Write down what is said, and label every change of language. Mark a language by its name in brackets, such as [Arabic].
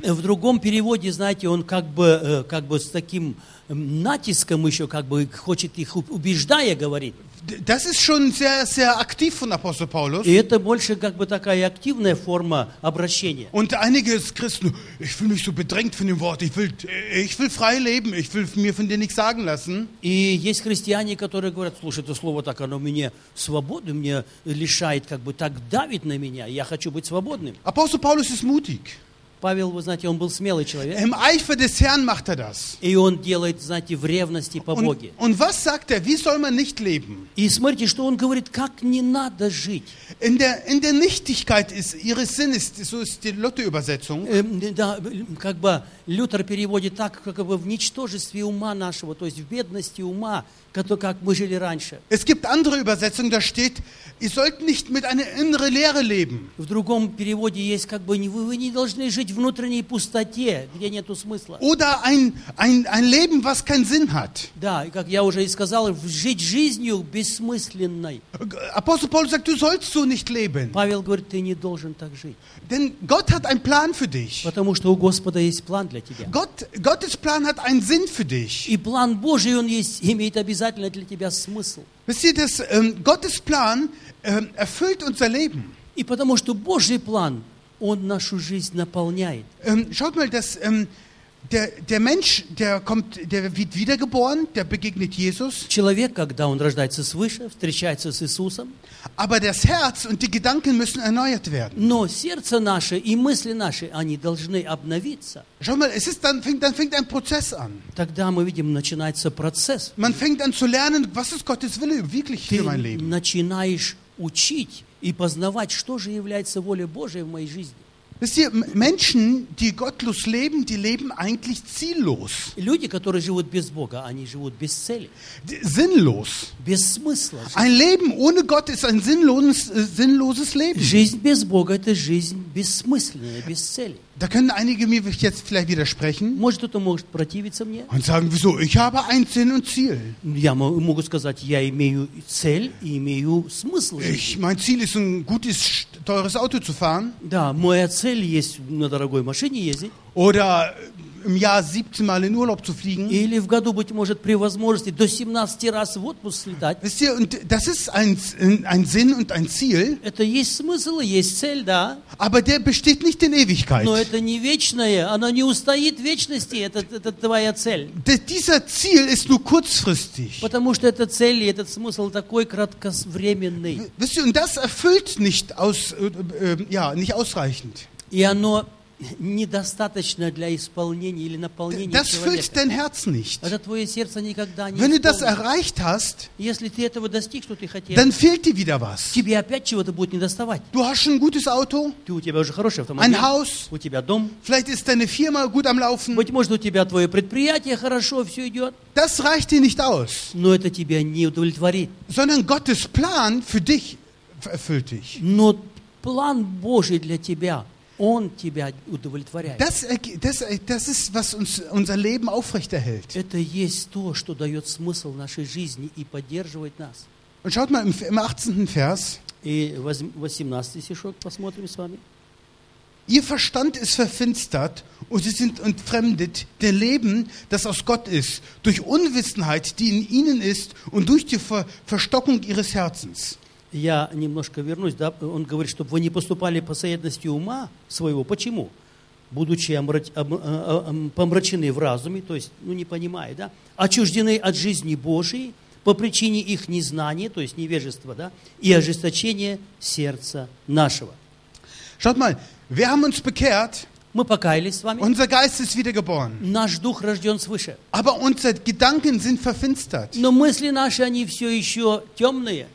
[Russian] В другом переводе, знаете, он как бы с таким натиском еще как бы хочет их убеждая говорить. [German] Das ist schon sehr, sehr aktiv von Apostel Paulus. [Russian] И это больше как бы такая активная форма обращения. [German] Und einige Christen, ich fühle mich so bedrängt von dem Wort, ich will frei leben, ich will mir von dir nichts sagen lassen. [Russian] И есть христиане, которые говорят, слушай, это слово так, оно мне свободу, мне лишает, как бы так давит на меня, я хочу быть свободным. [German] Апостол Paulus ist mutig. [Russian] Павел, вы знаете, он был смелый человек. [German] Im Eifer des Herrn macht er das. [Russian] И он делает, знаете, в ревности по Боге. [German] Und was sagt er? Wie soll man nicht leben? [Russian] И смотрите, что он говорит, как не надо жить. [German] In der Nichtigkeit ist ihres Sinnes, so ist die Luther-Übersetzung. [Russian] Да, как бы Лютер переводит так, как бы в ничтожестве ума нашего, то есть в бедности ума, как мы жили раньше. [German] Es gibt andere Übersetzungen, da steht, ihr sollt nicht mit einer inneren Leere leben. [Russian] В другом переводе есть, как бы, вы не должны жить в внутренней пустоте, где нету смысла. [German] Oder ein Leben, was keinen Sinn hat. [Russian] Да, и как я уже и сказал, жить жизнью бессмысленной. [German] Апостол Павел sagt, du sollst so nicht leben. [Russian] Павел говорит, ты не должен так жить. [German] Denn Gott hat einen Plan für dich. [Russian] Потому что у Господа есть план для тебя. [German] Gottes Plan hat einen Sinn für dich. [Russian] И план Божий, он есть, имеет обязательство. Для тебя смысл. [German] Gottes Plan erfüllt unser Leben. [Russian] И потому что Божий план, он нашу жизнь наполняет. [German] Schaut mal, dass der Mensch, der kommt, der wird wiedergeboren, der begegnet Jesus. [Russian] Человек, когда он рождается свыше, встречается с Иисусом. [German] Aber das Herz und die Gedanken müssen erneuert werden. [Russian] Но сердце наше и мысли наши, они должны обновиться. [German] Schau mal, dann fängt ein Prozess an. [Russian] Тогда мы видим, начинается процесс. [German] Man fängt an zu lernen, was ist Gottes Wille wirklich für mein Leben. [Russian] Ты начинаешь учить и познавать, что же является волей Божией в моей жизни. [German] Wisst ihr, Menschen, die gottlos leben, die leben eigentlich ziellos. [Russian] Люди, которые живут без Бога, они живут без цели. [German] Sinnlos. [Russian] Без смысла. [German] Ein Leben ohne Gott ist ein sinnloses Leben. [Russian] Жизнь без Бога – это жизнь бессмысленная, без цели. [German] Da können einige mir jetzt vielleicht widersprechen. [Russian] Может, кто-то может противиться мне. [German] Und sagen, wieso? Ich habe ein Sinn und Ziel. [Russian] Я могу сказать, я имею цель и имею смысл. [German] Mein Ziel ist ein gutes, teures Auto zu fahren. [Russian] Да, моя цель есть на дорогой машине ездить. [German] Oder im Jahr 17 Mal in Urlaub zu fliegen. [Russian] Или в году, быть может, при возможности до 17 раz в отпуск летать. [German] Wisst ihr, und das ist ein Sinn und ein Ziel. [Russian] Это есть смысл, есть цель, да. [German] Aber der besteht nicht in Ewigkeit. [Russian] Но это не вечное, оно не устоит в вечности, это твоя цель. [German] Dieser Ziel ist nur kurzfristig. [Russian] Потому что эта цель и этот смысл такой кратковременный. [German] Wisst ihr, und das erfüllt nicht ausreichend. [Russian] И оно недостаточно для исполнения или наполнения [German] das [Russian] человека. [German] Füllt dein Herz nicht. [Russian] Это твое сердце никогда не исполнит. [German] Wenn du das erreicht hast, [Russian] если ты этого достиг, что ты хотел, [German] dann fehlt dir wieder was. [Russian] Тебе опять чего-то будет недоставать. [German] Du hast ein gutes Auto, [Russian] ты, у тебя уже хороший автомобиль, [German] ein Haus, [Russian] у тебя дом, [German] vielleicht ist deine Firma gut am Laufen. [Russian] Быть может, у тебя твое предприятие хорошо, все идет. [German] Das reicht dir nicht aus. [Russian] Но это тебя не удовлетворит. [German] Sondern Gottes Plan für dich erfüllt dich. [Russian] Но план Божий для тебя. Он тебя удовлетворяет. [German] Das ist, was uns, unser Leben aufrechterhält. [Russian] Это есть то, что дает смысл нашей жизни и поддерживает нас. [German] Und schaut mal im 18. Vers. [Russian] И 18 стишок посмотрим с вами. [German] Ihr Verstand ist verfinstert und sie sind entfremdet der Leben, das aus Gott ist, durch Unwissenheit, die in ihnen ist und durch die Verstockung ihres Herzens. [Russian] Я немножко вернусь, да, он говорит, чтобы вы не поступали по соедности ума своего. Почему? Будучи помрачены в разуме, то есть, ну, не понимая, да, отчуждены от жизни Божией по причине их незнания, то есть невежества, да, и ожесточения сердца нашего. [German] Schaut mal, wir haben uns bekehrt. [Russian] Мы покаялись с вами. [German] Unser Geist ist wiedergeboren. [Russian] Наш дух рожден свыше. [German] Aber unsere Gedanken sind verfinstert. [Russian] Но мысли наши, они все еще темные.